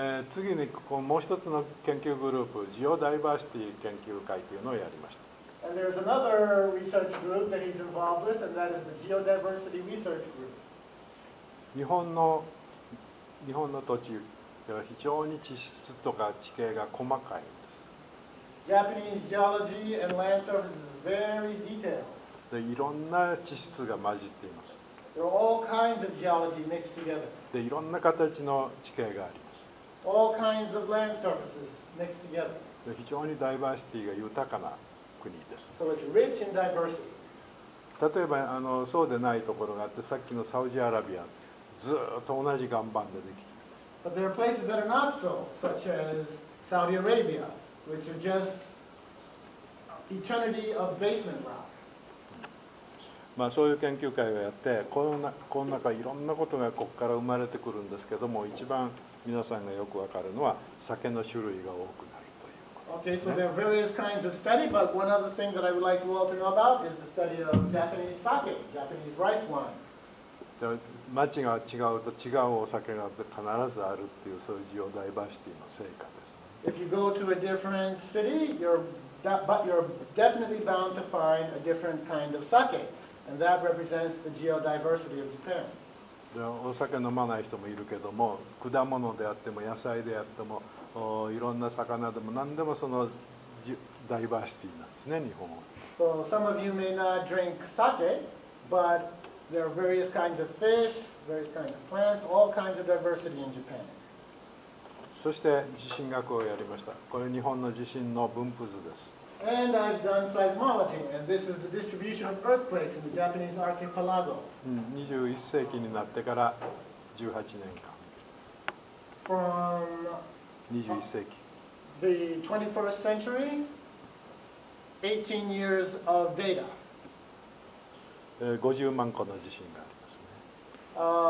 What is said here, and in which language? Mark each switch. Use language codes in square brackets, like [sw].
[ja] 次にここもう一つの研究グループ、ジオダイバーシティ研究会というのをやりました。 [en] And there's another research group that he's involved with, and that is the Geodiversity Research Group. [ja] 日本の土地では非常に地質とか地形が細かいんです。 [en] Japanese geology and land surface is very detailed. [ja] で、いろんな地質が混じっています。 [en] There are all kinds of geology mixed together. [ja] で、いろんな形の地形があります。 [en] All kinds of land surfaces mixed together. [ja] で、非常にダイバーシティが豊かな国です。 [en] So it's rich in diversity. [ja] 例えばあのそうでないところがあって、さっきのサウジアラビア。ずっと同じ岩盤でできている。 [en] But there are places that are not so, such as Saudi Arabia, which are just eternity of basement rock. [ja] まあそういう研究会をやって、この中いろんなことがここから生まれてくるんですけども、一番皆さんがよくわかるのは酒の種類が多くなるということ、ね。 [en] Okay, so there are various kinds of study, but one other thing that I would like you all to know about is the study of Japanese sake, Japanese rice wine. [ja] 町が違うと違うお酒が必ずあるっていう、そういうジオダイバーシティの成果です。 [en] If you go to a different city, you're definitely bound to find a different kind of sake, and that represents the geodiversity of Japan. [ja] でお酒飲まない人もいるけども、果物であっても野菜であっても、いろんな魚でも何でもそのダイバーシティなんですね、日本は。 [en] So some of you may not drink sake, butThere are various kinds of fish, various kinds of plants, all kinds of diversity in Japan. [ja] そして地震学をやりました。これ日本の地震の分布図です。 [en] And I've done seismology, and this is the distribution of earthquakes in the Japanese archipelago. [ja] 21世紀になってから18年間。 [en] From [ja] 21世紀。 [en] The 21st century, 18 years of data. [ja] 50万個の地震がありますね。